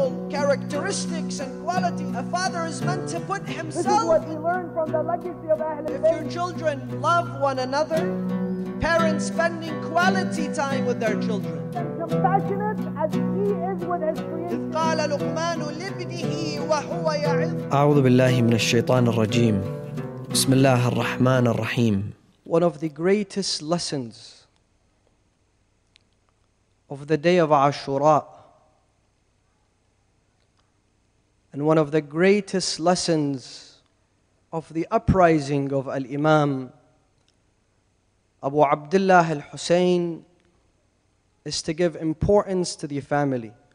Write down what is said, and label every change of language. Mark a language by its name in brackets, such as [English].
[English] characteristics and quality. A father is meant to put himself. This is what we learn from the legacy of Ahlul Bayt. If your children love one another, parents spending quality time with their children. As compassionate as he is with his [Arabic] creation. أعوذ بالله من الشيطان الرجيم. بسم الله الرحمن الرحيم. [English] One of the greatest lessons of the day of Ashura, and one of the greatest lessons of the uprising of Al-Imam Abu Abdullah Al-Hussein, is to give importance to the family,